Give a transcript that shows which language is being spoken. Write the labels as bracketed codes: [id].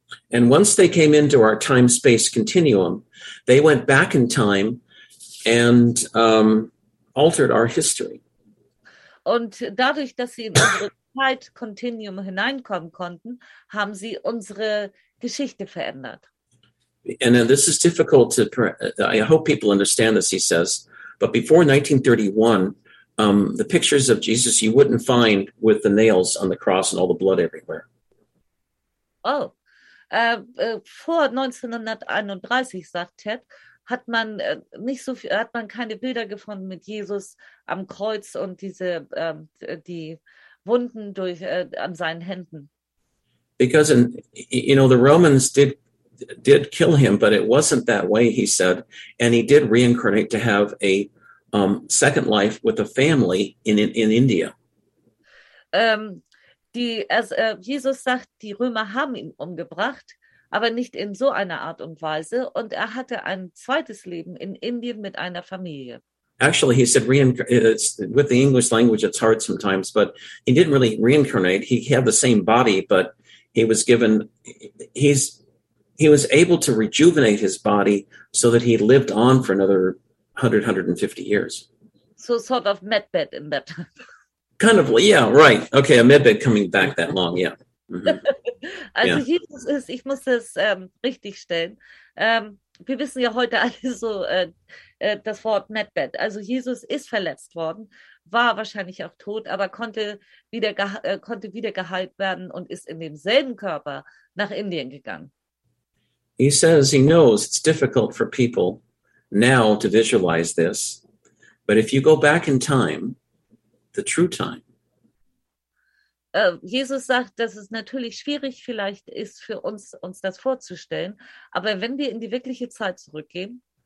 [en] And once they came into our time-space continuum, they went back in time and altered our history. [de] Und dadurch, dass sie in unsere Zeitkontinuum hineinkommen konnten, haben sie unsere Geschichte verändert. [en] And this is difficult to, I hope people understand this, he says, but before 1931, the pictures of Jesus you wouldn't find with the nails on the cross and all the blood everywhere. [de] Oh, vor 1931, sagt Ted, hat man keine Bilder gefunden mit Jesus am Kreuz und diese die Wunden durch an seinen Händen. [en] Because the Romans did kill him, but it wasn't that way, he said, and he did reincarnate to have a second life with a family in India. [de] Jesus sagt, die Römer haben ihn umgebracht, aber nicht in so einer Art und Weise. Und er hatte ein zweites Leben in Indien mit einer Familie. [en] Actually, he said, with the English language, it's hard sometimes, but he didn't really reincarnate. He had the same body, but he was able to rejuvenate his body so that he lived on for another 150 years. So sort of medbed in that time. Kind of, yeah, right. Okay, a medbed coming back that long, yeah. [de] Also Jesus ist, ich muss das richtigstellen. Wir wissen ja heute alle so das Wort Medbet. Also Jesus ist verletzt worden, war wahrscheinlich auch tot, aber konnte wieder geheilt werden und ist in demselben Körper nach Indien gegangen. [en] He says he knows it's difficult for people now to visualize this, but if you go back in time, the true time. [de] Jesus sagt, dass es natürlich schwierig vielleicht ist für uns das vorzustellen, aber wenn wir in die wirkliche Zeit zurückgehen,